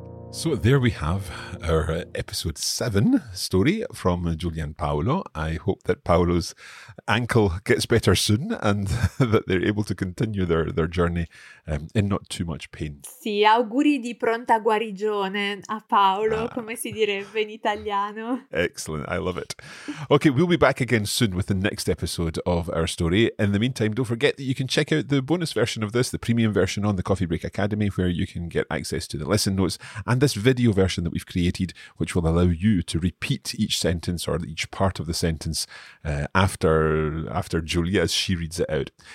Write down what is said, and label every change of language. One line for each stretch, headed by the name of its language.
English: So there we have our episode 7 story from Julian Paolo. I hope that Paolo's ankle gets better soon and that they're able to continue their journey in not too much pain.
Italian: Sì, auguri di pronta guarigione a Paolo, come si direbbe in italiano.
English: Excellent, I love it. Okay, we'll be back again soon with the next episode of our story. In the meantime, don't forget that you can check out the bonus version of this, the premium version on the Coffee Break Academy, where you can get access to the lesson notes and this video version that we've created, which will allow you to repeat each sentence or each part of the sentence after Julia as she reads it out.